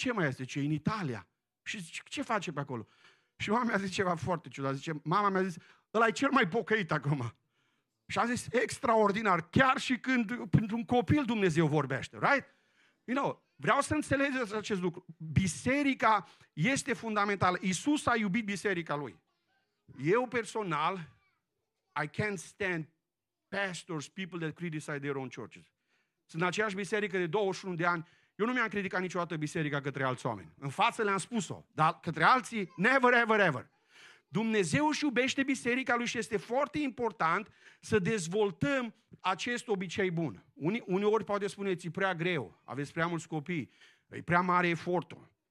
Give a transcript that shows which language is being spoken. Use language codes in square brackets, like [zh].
[ro] Ce mai este? Ce, în Italia? Și zice, ce face pe acolo? Și mama mi-a zis ceva foarte ciudat. Zice, mama mi-a zis, ăla e cel mai pocăit acum. Și a zis, extraordinar, chiar și când pentru un copil Dumnezeu vorbește, right? [en] You know, [ro] vreau să înțelegeți acest lucru. Biserica este fundamentală. Iisus a iubit biserica lui. Eu personal, [en] I can't stand pastors, people that criticize their own churches. [ro] Sunt în aceeași biserică de 21 de ani. Eu nu mi-am criticat niciodată biserica către alți oameni. În față le-am spus-o, dar către alții, [en] never, ever, ever. [ro] Dumnezeu își iubește biserica lui și este foarte important să dezvoltăm acest obicei bun. Uneori poate spuneți, e prea greu, aveți prea mulți copii, e prea mare efortul.